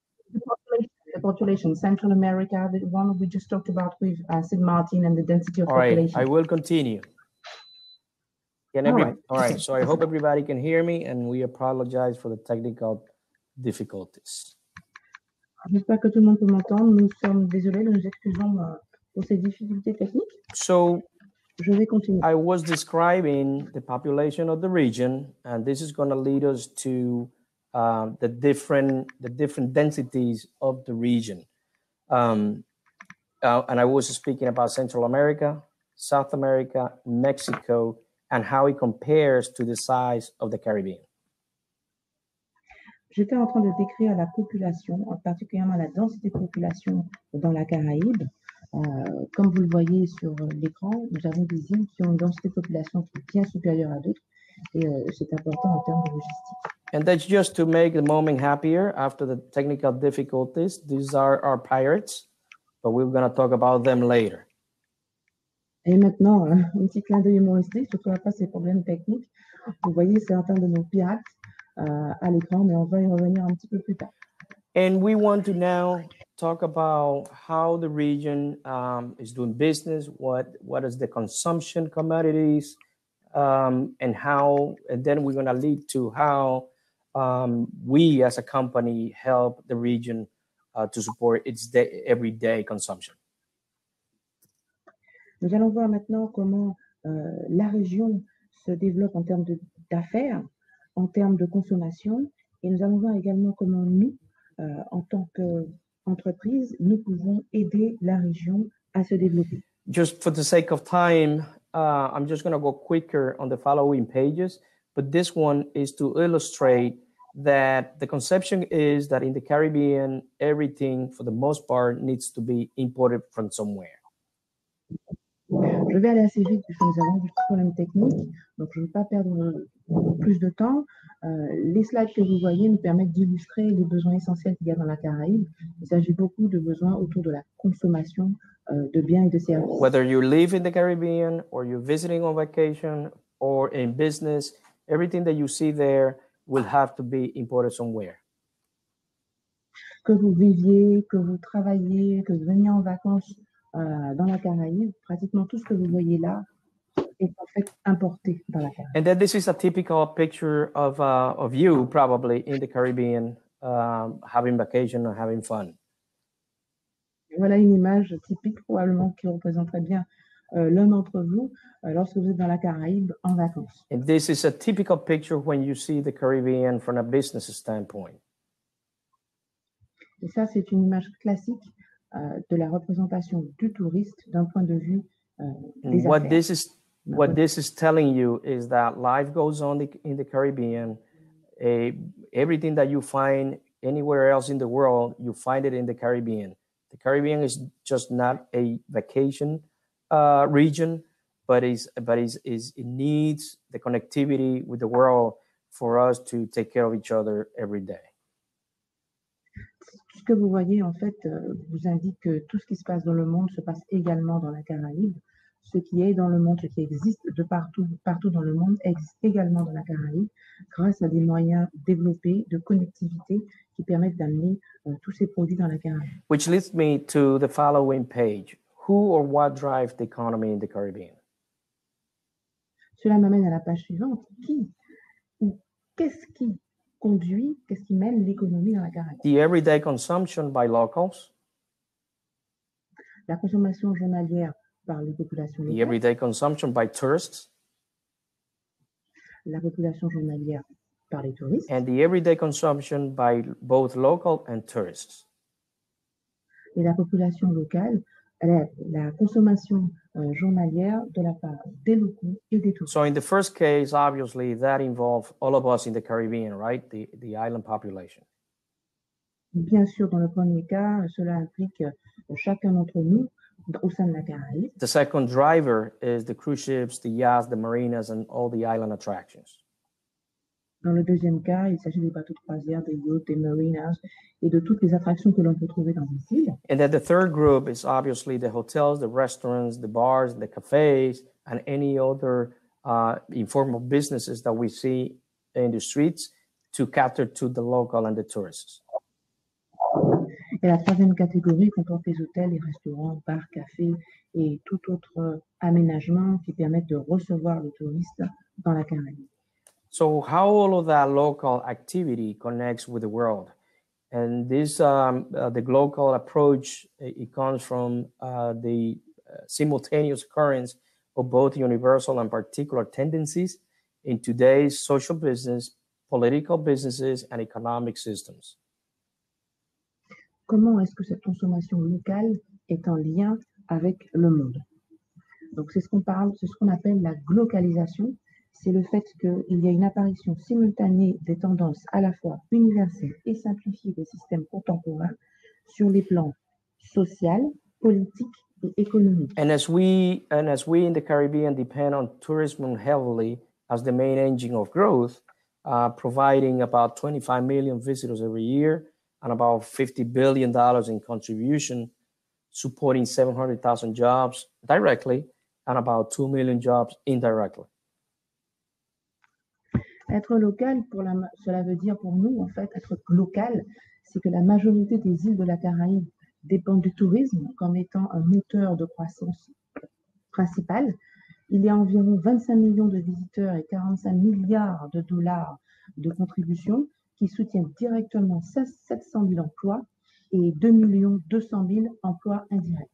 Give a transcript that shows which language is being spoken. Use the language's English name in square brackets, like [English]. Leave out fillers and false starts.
[English] The population, Central America, the one we just talked about with Sid Martin and the density of all population. All right, I will continue. So I hope everybody can hear me, and we apologize for the technical difficulties. [French] J'espère que tout le monde peut m'entendre. Nous sommes désolés, nous excusons pour ces difficultés techniques. [English] So, [French] je vais continuer. [English] I was describing the population of the region, and this is going to lead us to the different densities of the region. And I was speaking about Central America, South America, Mexico, and how it compares to the size of the Caribbean. [French] J'étais en train de décrire la population, particulièrement la densité de population dans la Caraïbe. Comme vous le voyez sur l'écran, nous avons des îles qui ont une densité de population qui est bien supérieure à d'autres. Et c'est important en termes de logistique. [English] And that's just to make the moment happier after the technical difficulties. These are our pirates, but we're going to talk about them later. [French] Et maintenant, un petit clin d'œil humoristique, surtout après ces problèmes techniques. Vous voyez certains de nos pirates à l'écran, mais on va y revenir un petit peu plus tard. [English] And we want to now talk about how the region is doing business, what is the consumption commodities, and then we're going to lead to how we as a company help the region to support its everyday consumption. [French] Nous allons voir maintenant comment la région se développe en termes d'affaires, en termes de consommation, et nous allons voir également comment nous, en tant qu'entreprise, nous pouvons aider la région à se développer. [English] Just for the sake of time, I'm just going to go quicker on the following pages, but this one is to illustrate that the conception is that in the Caribbean, everything, for the most part, needs to be imported from somewhere. [French] Je vais aller assez vite puisque nous avons des problèmes techniques, donc je ne veux pas perdre plus de temps. Les slides que vous voyez nous permettent d'illustrer les besoins essentiels qu'il y a dans la Caraïbe. Il s'agit beaucoup de besoins autour de la consommation de biens et de services. [English] Whether you live in the Caribbean or you're visiting on vacation or in business, everything that you see there will have to be imported somewhere. [French] Que vous viviez, que vous travailliez, que vous veniez en vacances. Dans la Caraïbe, pratiquement tout ce que vous voyez là est en fait importé dans la Caraïbe. [English] And then this is a typical picture of you probably in the Caribbean having vacation or having fun. [French] Voilà une image typique probablement qui représenterait bien l'un d'entre vous lorsque vous êtes dans la Caraïbe en vacances. [English] And this is a typical picture when you see the Caribbean from a business standpoint. [French] Et ça, c'est une image classique de la représentation du touriste d'un point de vue des affaires. [English] What this is telling you is that life goes on in the Caribbean. Everything that you find anywhere else in the world, you find it in the Caribbean. The Caribbean is just not a vacation region, but it needs the connectivity with the world for us to take care of each other every day. [French] Ce que vous voyez, en fait, vous indique que tout ce qui se passe dans le monde se passe également dans la Caraïbe. Ce qui est dans le monde, ce qui existe de partout dans le monde, existe également dans la Caraïbe, grâce à des moyens développés de connectivité qui permettent d'amener tous ces produits dans la Caraïbe. [English] Which leads me to the following page. Who or what drives the economy in the Caribbean? [French] Cela m'amène à la page suivante. Qui ou qu'est-ce qui conduit, qu'est-ce qui mène l'économie dans la Caraïbe? [English] The everyday consumption by locals. [French] La consommation journalière par les populations locales. [English] The everyday consumption by tourists. [French] La population journalière par les touristes. [English] And the everyday consumption by both local and tourists. [French] Et la population locale, la consommation journalière de la part des locaux et des touristes. [English] So in the first case, obviously, that involves all of us in the Caribbean, right? The island population. [French] Bien sûr, dans le premier cas, cela implique chacun d'entre nous au sein de la Caraïbe. [English] The second driver is the cruise ships, the yachts, the marinas, and all the island attractions. [French] Dans le deuxième cas, il s'agit des bateaux de croisière, des yachts, des marinas et de toutes les attractions que l'on peut trouver dans les îles. [English] And then the third group is obviously the hotels, the restaurants, the bars, the cafes, and any other informal businesses that we see in the streets to cater to the local and the tourists. [French] Et la troisième catégorie comporte les hôtels, les restaurants, bars, cafés et tout autre aménagement qui permettent de recevoir les touristes dans la Caraïbe. [English] So how all of that local activity connects with the world? And this, the local approach, it comes from the simultaneous occurrence of both universal and particular tendencies in today's social business, political businesses, and economic systems. [French] Comment est-ce que cette consommation locale est en lien avec le monde? Donc c'est ce qu'on parle, c'est ce qu'on appelle la glocalisation. C'est le fait qu'il y a une apparition simultanée des tendances à la fois universelles et simplifiées des systèmes contemporains sur les plans social, politique et économique. [English] And as we in the Caribbean depend on tourism heavily as the main engine of growth, providing about 25 million visitors every year and about $50 billion in contribution, supporting 700,000 jobs directly and about 2 million jobs indirectly. [French] Être local, cela veut dire pour nous, en fait, être local, c'est que la majorité des îles de la Caraïbe dépendent du tourisme comme étant un moteur de croissance principal. Il y a environ 25 millions de visiteurs et 45 milliards de dollars de contributions qui soutiennent directement 700 000 emplois et 2 200 000 emplois indirects.